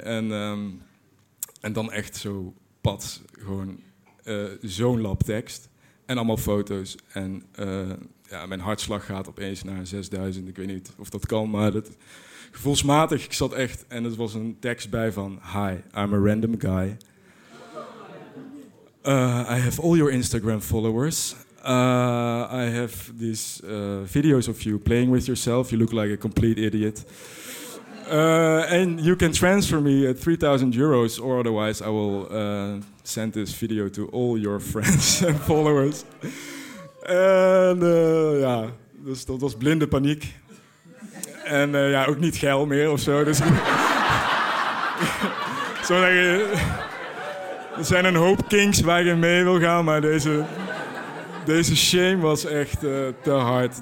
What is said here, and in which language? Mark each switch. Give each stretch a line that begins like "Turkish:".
Dutch: En dan echt zo pad, gewoon zo'n lap tekst. En allemaal foto's. En ja, mijn hartslag gaat opeens naar 6000. Ik weet niet of dat kan, maar dat, gevoelsmatig. Ik zat echt, en er was een tekst bij van...
English: Hi, I'm a random guy. I have all your Instagram followers. I have these videos of you playing with yourself. You look like a complete idiot. And you can transfer me at 3000 euros or otherwise I will send this video to all your friends and followers.
Dutch: En ja, dus dat was blinde paniek. En ja, ook niet geil meer of zo. Dus er zijn een hoop kinks waar je mee wil gaan, maar deze shame was echt te hard.